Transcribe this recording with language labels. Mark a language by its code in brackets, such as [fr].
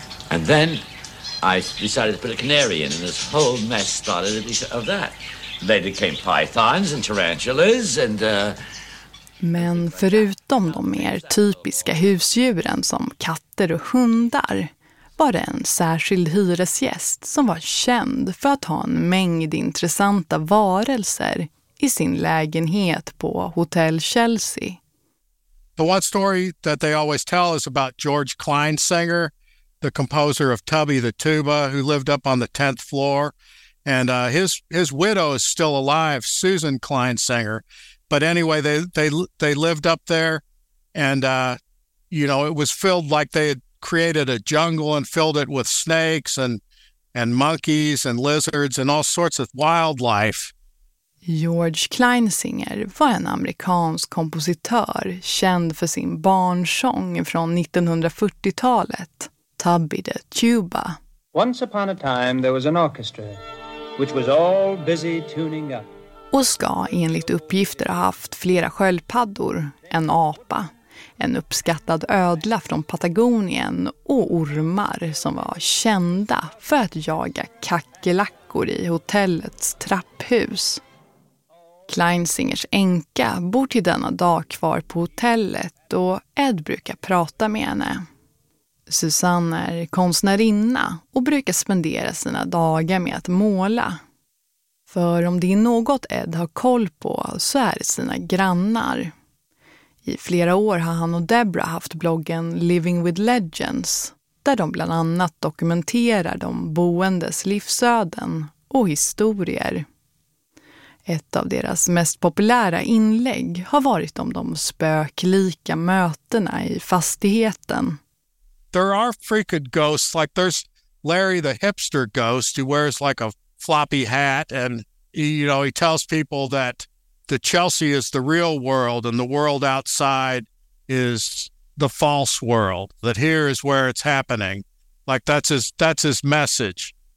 [en] And then I decided to put a canary in, and this whole mess started of that. Later came pythons and tarantulas and... [sv] Men förutom de mer typiska husdjuren som katter och hundar var det en särskild hyresgäst som var känd för att ha en mängd intressanta varelser i sin lägenhet på Hotel Chelsea. [en] The one story that they always tell is about George Kleinsinger, the composer of Tubby the Tuba, who lived up on the 10th floor. And his widow is still alive, Susan Kleinsinger. But anyway, they lived up there, and you know, it was filled like they had created a jungle and filled it with snakes and monkeys and lizards and all sorts of wildlife. [sv] George Kleinsinger var en amerikansk kompositör känd för sin barnsång från 1940-talet, Tubby the Tuba. [en] Once upon a time there was an orchestra which was all busy tuning up. [sv] Och ska enligt uppgifter ha haft flera sköldpaddor, en apa, en uppskattad ödla från Patagonien och ormar som var kända för att jaga kackelackor i hotellets trapphus. Kleinsingers änka bor till denna dag kvar på hotellet, och Ed brukar prata med henne. Susanne är konstnärinna och brukar spendera sina dagar med att måla. För om det är något Ed har koll på så är det sina grannar. I flera år har han och Deborah haft bloggen Living with Legends, där de bland annat dokumenterar de boendes livsöden och historier. Ett av deras mest populära inlägg har varit om de spöklika mötena i fastigheten. [en] There are frequent ghosts, like there's Larry the hipster ghost who wears like a floppy hat, and he, you know, he tells people that the Chelsea is the real world and the world outside is the false world, that here is where it's happening, like that's his message.